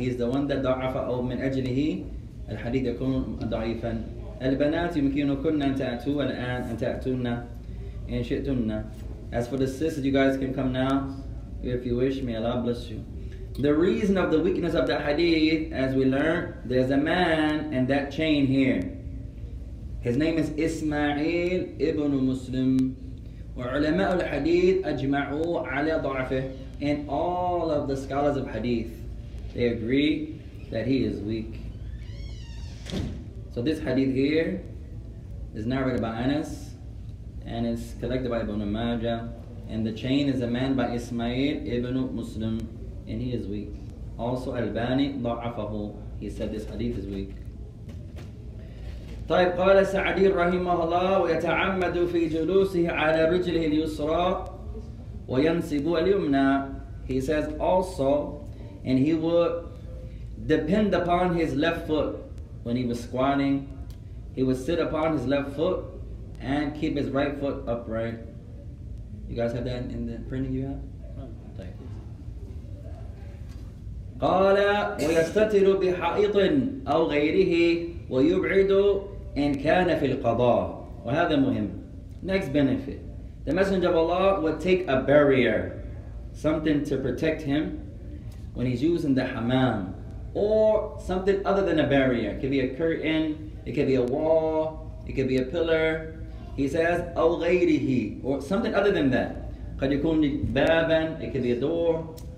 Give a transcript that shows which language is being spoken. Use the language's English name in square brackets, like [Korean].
[English] He's the one that [Arabic] ضعف أو من أجله الحديث يكون ضعيفا. البنات يمكنكن أن تأتوا الآن أن تأتونا إن شئتنا. [English] As for the sisters, you guys can come now if you wish. May Allah bless you. The reason of the weakness of the hadith, as we learned, there's a man in that chain here. His name is Ismail ibn Muslim. [Arabic] وعلماء الحديث أجمعوا على ضعفه. [English] And all of the scholars of hadith, they agree that he is weak. So this hadith here is narrated by Anas, and it's collected by Ibn Majah. And the chain is a man by Ismail ibn Muslim. And he is weak. Also, Albani [Arabic] ضعفه. [English] He said this hadith is weak. [Arabic] طيب قال سعدي رحمه الله ويتعمد في جلوسه على رجله اليسرى وينسب اليمنى. [English] He says also, and he would depend upon his left foot when he was squatting. He would sit upon his left foot and keep his right foot upright. You guys have that in the printing you have? [Arabic] قال ويستتر بحائط أو غيره ويبعد إن كان في القضاء. وهذا مهم. [English] Next benefit. The Messenger of Allah would take a barrier, something to protect him when he's using the hammam, or something other than a barrier. It could be a curtain, it could be a wall, It could be a pillar. He says, "Aw ghayrihi," or something other than that. [Arabic] قَدْ يَكُونُ بَابًا, [English] it could be a door.